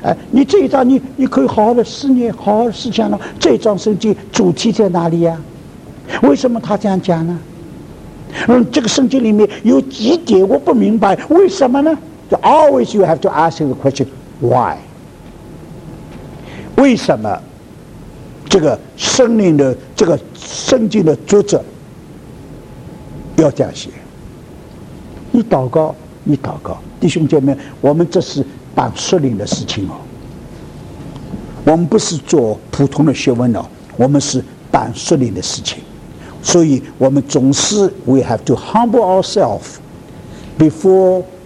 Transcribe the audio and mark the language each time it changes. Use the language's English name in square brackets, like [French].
[Chinese] 你这一章你可以好好的思念，好好的思想了。这一章圣经主题在哪里呀？为什么他这样讲呢？这个圣经里面有几点我不明白，为什么呢？ [English] So always you have to ask the question why? [Chinese] 为什么这个圣灵的这个圣经的作者要这样写？你祷告，弟兄姐妹，我们这是办属灵的事情哦，我们不是做普通的学问哦，我们是办属灵的事情，所以我们总是 [English] we have to humble ourselves before